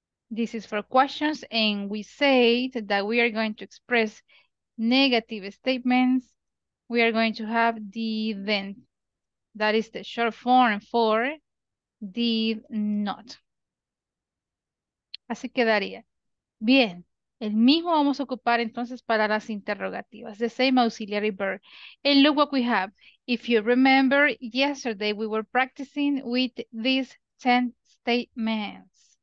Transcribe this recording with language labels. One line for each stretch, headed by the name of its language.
English: This is for questions, and we said that we are going to express negative statements. We are going to have didn't. That is the short form for did not.
Spanish: Así quedaría. Bien. El mismo vamos a ocupar entonces para las interrogativas.
English: The same auxiliary verb. And look what we have. If you remember, yesterday we were practicing with these 10 statements.